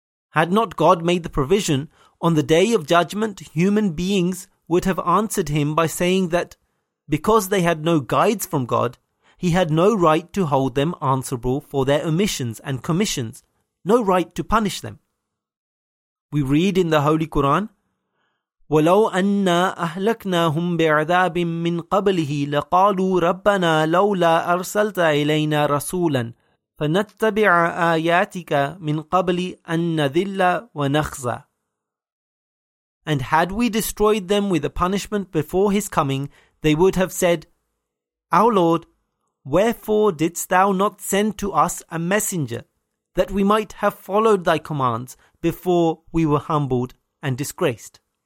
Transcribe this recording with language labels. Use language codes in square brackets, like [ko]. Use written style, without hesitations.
[en] Had not God made the provision, on the day of judgment, human beings would have answered him by saying that Because they had no guides from God, he had no right to hold them answerable for their omissions and commissions, no right to punish them. We read in the Holy Quran, [ar] وَلَوْ أَنَّا أَهْلَكْنَاهُمْ بِعْذَابٍ مِّن قَبْلِهِ لَقَالُوا رَبَّنَا لَوْلَا أَرْسَلْتَ إِلَيْنَا رَسُولًا فَنَتَّبِعَ آيَاتِكَ مِّن قَبْلِ أَن نَذِلَّ وَنَخْزَى. [en] And had we destroyed them with a punishment before his coming, they would have said, Our Lord, wherefore didst thou not send to us a messenger, that we might have followed thy commands before we were humbled and disgraced?